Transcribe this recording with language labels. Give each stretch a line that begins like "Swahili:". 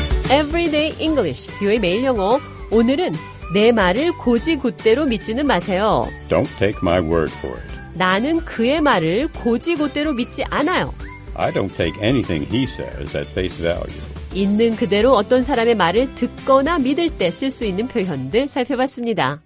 Korean: Everyday English, 귀요의 매일 영어. 오늘은 내 말을 고지고대로 믿지는 마세요.
English: Don't take my word for it.
Korean: 나는 그의 말을 고지고대로 믿지 않아요.
English: I don't take anything he says at face value.
Korean: 있는 그대로 어떤 사람의 말을 듣거나 믿을 때 쓸 수 있는 표현들 살펴봤습니다.